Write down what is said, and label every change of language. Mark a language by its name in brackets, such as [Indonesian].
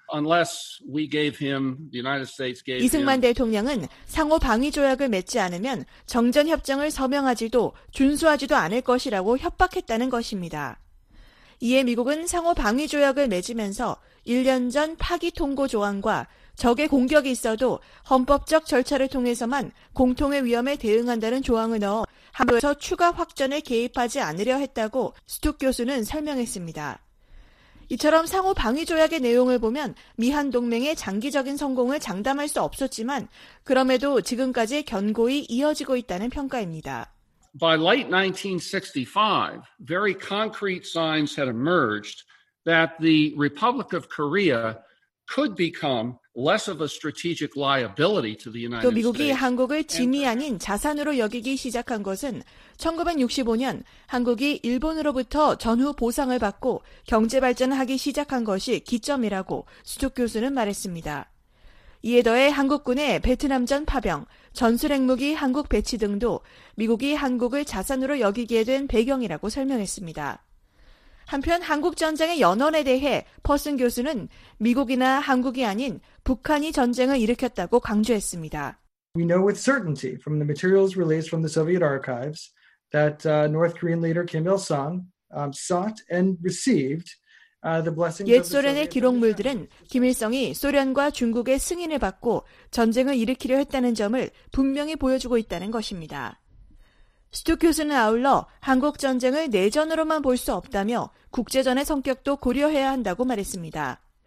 [English] Unless we gave him, the United States gave him. [Korean] 이승만 대통령은 상호 방위 조약을 맺지 않으면 정전 협정을 서명하지도 준수하지도 않을 것이라고 협박했다는 것입니다. 이에 미국은 상호 방위 조약을 맺으면서 1년 전 파기 통고 조항과 적의 공격이 있어도 헌법적 절차를 통해서만 공통의 위험에 대응한다는 조항을 넣어 한국에서 추가 확전에 개입하지 않으려 했다고 스톡 교수는 설명했습니다. 이처럼 상호 방위 조약의 내용을 보면 미한 동맹의 장기적인 성공을 장담할 수 없었지만 그럼에도 지금까지 견고히 이어지고 있다는 평가입니다. [English] By late 1965, very concrete signs had emerged that the Republic of Korea could become less of a strategic liability to the United States. [Korean] 또 미국이 한국을 짐이 아닌 자산으로 여기기 시작한 것은 1965년 한국이 일본으로부터 전후 보상을 받고 경제 발전하기 시작한 것이 기점이라고 수족 교수는 말했습니다. 이에 더해 한국군의 베트남전 파병, 전술 핵무기 한국 배치 등도 미국이 한국을 자산으로 여기게 된 배경이라고 설명했습니다. 한편 한국 전쟁의 연원에 대해 퍼슨 교수는 미국이나 한국이 아닌 북한이 전쟁을 일으켰다고 강조했습니다. [English] We know with certainty from the materials released from the Soviet archives that North Korean leader Kim Il-sung sought and received the blessings. [Korean] 옛 소련의 기록물들은 김일성이 소련과 중국의 승인을 받고 전쟁을 일으키려 했다는 점을 분명히 보여주고 있다는 것입니다. 스톡 교수는 아울러 한국 전쟁을 내전으로만 볼 수 없다며 국제전의 성격도 고려해야 한다고 말했습니다.